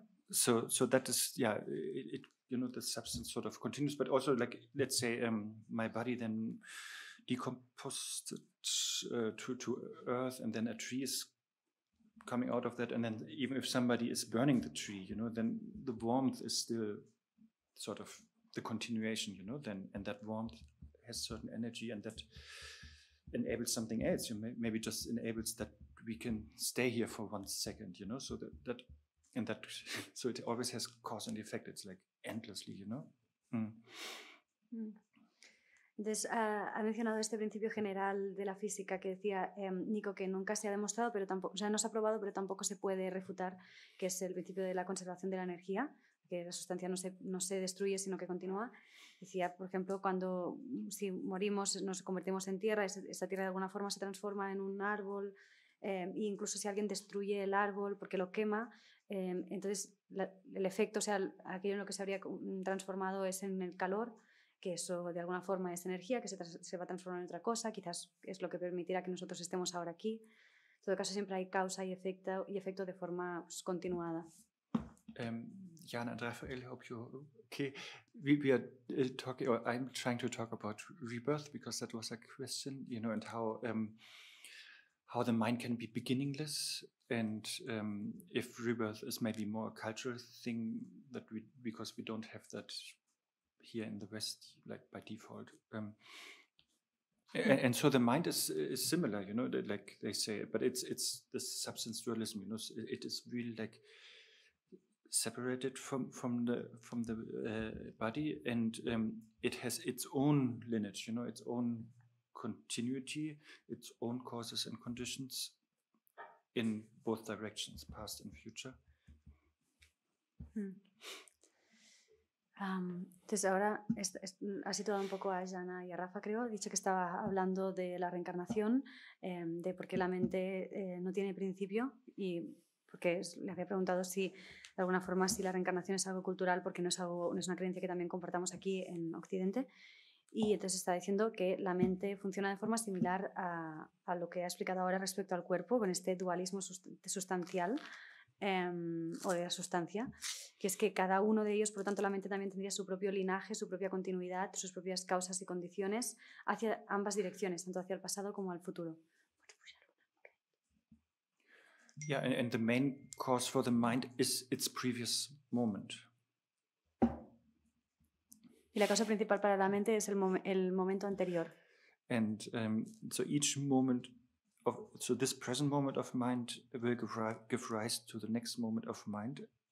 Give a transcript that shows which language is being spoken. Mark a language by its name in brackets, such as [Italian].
[English] So that is, yeah, it you know, the substance sort of continues, but also, like, let's say my body then decomposed to earth, and then a tree is coming out of that, and then even if somebody is burning the tree, you know, then the warmth is still sort of the continuation, you know, then, and that warmth has certain energy, and that enables something else, you know, maybe just enables that we can stay here for 1 second, you know, so that so it always has cause and effect, it's like endlessly, you know. [Spanish] Entonces, ha mencionado este principio general de la física que decía Nico, que nunca se ha demostrado, pero tampoco, o sea, no se ha probado, pero tampoco se puede refutar, que es el principio de la conservación de la energía, que la sustancia no se destruye, sino que continúa. Decía, por ejemplo, cuando si morimos nos convertimos en tierra, esa tierra de alguna forma se transforma en un árbol, e incluso si alguien destruye el árbol porque lo quema, entonces el efecto, o sea, aquello en lo que se habría transformado es en el calor, que eso de alguna forma es energía, que se va a transformar en otra cosa, quizás es lo que permitirá que nosotros estemos ahora aquí. En todo caso, siempre hay causa y efecto de forma continuada. [English] Jan and Raphael, hope you okay. We are talking, or I'm trying to talk about rebirth, because that was a question, you know, and how the mind can be beginningless, and if rebirth is maybe more a cultural thing that we, because we don't have that here in the West, like by default. And so the mind is similar, you know, like they say, but it's the substance dualism, you know, so it is really like separated from the body, and it has its own lineage, you know, its own continuity, its own causes and conditions in both directions, past and future. [Spanish] Entonces ahora ha situado un poco a Jana y a Rafa, creo, ha dicho que estaba hablando de la reencarnación, de por qué la mente no tiene principio, y porque le había preguntado si de alguna forma si la reencarnación es algo cultural, porque no es una creencia que también compartamos aquí en Occidente, y entonces está diciendo que la mente funciona de forma similar a lo que ha explicado ahora respecto al cuerpo, con este dualismo sustancial o de la sustancia, que es que cada uno de ellos, por lo tanto la mente también tendría su propio linaje, su propia continuidad, sus propias causas y condiciones hacia ambas direcciones, tanto hacia el pasado como al futuro. [English] Yeah, and the main cause for the mind is its previous moment. [Spanish] Y la causa principal para la mente es el momento anterior. [English] And so each moment of, so this present moment of mind will give rise to the next moment of mind,